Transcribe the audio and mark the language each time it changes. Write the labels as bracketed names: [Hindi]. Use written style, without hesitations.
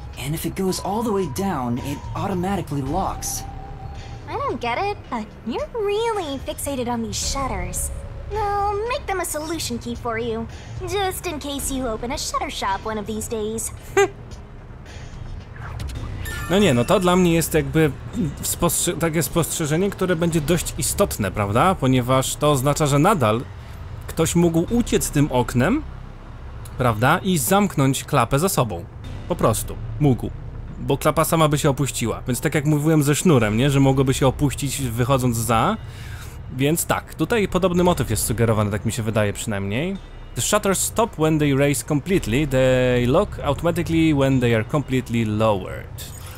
[English] And if it goes all the way down, it automatically locks. I don't get it, but you're really fixated on these shutters. I'll make them a solution key for you, just in case you open a shutter shop one of these days. [Polish] No nie, no to dla mnie jest jakby takie spostrzeżenie, które będzie dość istotne, prawda? Ponieważ to oznacza, że nadal ktoś mógł uciec tym oknem, prawda? I zamknąć klapę za sobą. Po prostu. Mógł. Bo klapa sama by się opuściła. Więc tak jak mówiłem ze sznurem, nie? Że mogłoby się opuścić wychodząc za. Więc tak, tutaj podobny motyw jest sugerowany, tak mi się wydaje przynajmniej. [English] The shutters stop when they raise completely. They lock automatically when they are completely lowered.